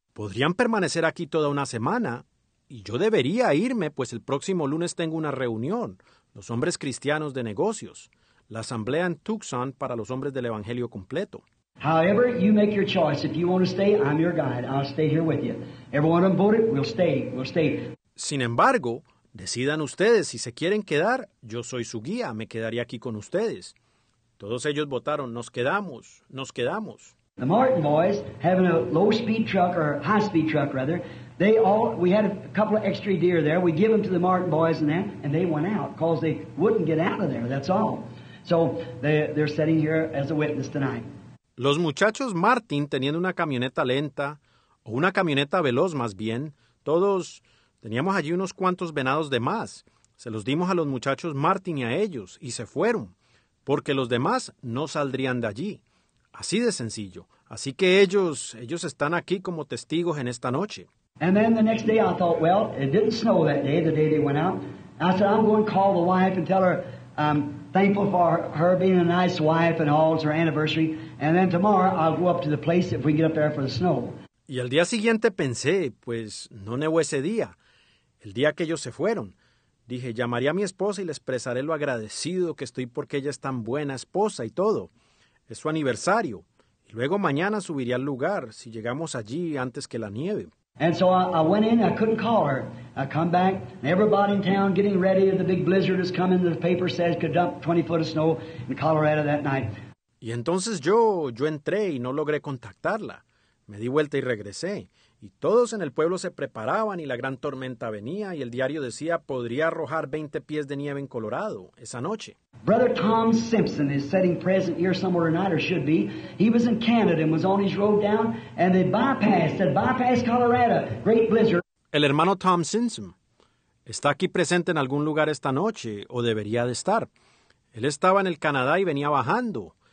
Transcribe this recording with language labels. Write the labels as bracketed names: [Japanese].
[Spanish] Podrían permanecer aquí toda una semana, y yo debería irme, pues el próximo lunes tengo una reunión, los hombres cristianos de negocios, la asamblea en Tucson para los hombres del Evangelio completo. [English] However, you make your choice. If you want to stay, I'm your guide. I'll stay here with you. Everyone on board, we'll stay. [Spanish] Sin embargo, decidan ustedes, si se quieren quedar, yo soy su guía, me quedaría aquí con ustedes. Todos ellos votaron, nos quedamos. [English] The Martin boys, having a low-speed truck, or high-speed truck, rather, we had a couple of extra deer there. We give them to the Martin boys and that, and they went out, because they wouldn't get out of there, that's all. So they're sitting here as a witness tonight. [Spanish] Los muchachos Martin, teniendo una camioneta lenta, o una camioneta veloz más bien, todos teníamos allí unos cuantos venados de más. Se los dimos a los muchachos Martin y a ellos, y se fueron, porque los demás no saldrían de allí. Así de sencillo. Así que ellos están aquí como testigos en esta noche. [English] And then the next day I thought, well, it didn't snow that day, the day they went out. I said, I'm going to call the wife and tell her I'm thankful for her being a nice wife and all, it's her anniversary. And then tomorrow I'll go up to the place if we get up there for the snow. [Spanish] Y al día siguiente pensé, pues no nevó ese día, el día que ellos se fueron. Dije, llamaré a mi esposa y le expresaré lo agradecido que estoy porque ella es tan buena esposa y todo. Es su aniversario. Y luego mañana subiría al lugar si llegamos allí antes que la nieve. [English] And so I went in, I couldn't call her. I come back, and everybody in town getting ready, the big blizzard is coming, the paper says could dump 20 foot of snow in Colorado that night. [Spanish] Y entonces yo entré y no logré contactarla. Me di vuelta y regresé. Y todos en el pueblo se preparaban y la gran tormenta venía y el diario decía podría arrojar 20 pies de nieve en Colorado esa noche. [English] Brother Tom Simpson is sitting present here somewhere tonight, or should be. He was in Canada and was on his road down, and they bypassed Colorado. Great blizzard. [Spanish] El hermano Tom Simpson está aquí presente en algún lugar esta noche, o debería de estar. Él estaba en el Canadá y venía bajando,